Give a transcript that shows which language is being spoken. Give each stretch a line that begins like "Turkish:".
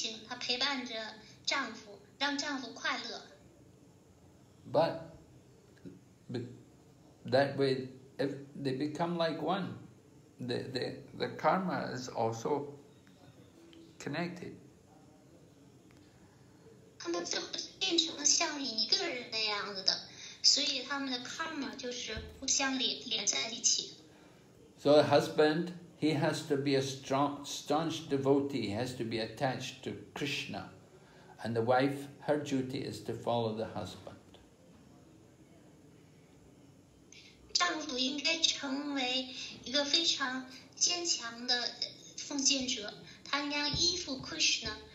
Chinese: 妻子要照顾家庭、孩子，照料许多事情，她陪伴着丈夫，让丈夫快乐。
English: But that way, if they become like one, the karma is also connected.
Chinese: 他们就变成了像一个人那样子的，所以他们的karma就是互相连在一起。
English: So a husband, he has to be a staunch devotee. He has to be attached to Krishna, and the wife, her duty is to follow the husband.
Chinese: 丈夫应该成为一个非常坚强的奉献者，他应该依附 Krishna。